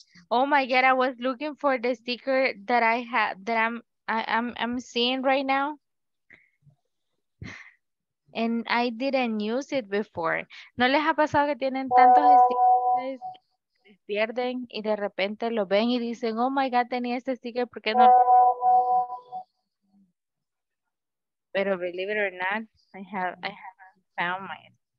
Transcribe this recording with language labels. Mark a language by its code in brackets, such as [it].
[en] Oh my God, I was looking for the sticker that I have, that I'm seeing right now. And I didn't use it before. [es] ¿No les ha pasado que tienen tantos stickers, se pierden y de repente lo ven y dicen, [en] oh my God, [es] tenía este sticker, ¿por qué no? [en] Pero believe it or not, I haven't found mine.